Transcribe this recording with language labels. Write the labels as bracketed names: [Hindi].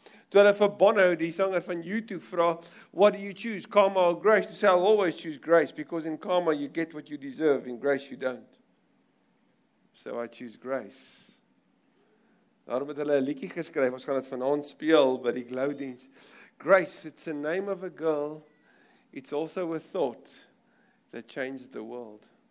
[Afrikaans] To hulle vir Bono, die sanger van U2, vra, [English] what do you choose, karma or grace? To say, I'll always choose grace, because in karma you get what you deserve, in grace you don't. So I choose grace. [Afrikaans] Daarom het hulle 'n liedjie geskryf, ons gaan dit vanaand speel by die Glowdiens. [English] Grace, it's a name of a girl, it's also a thought that changed the world.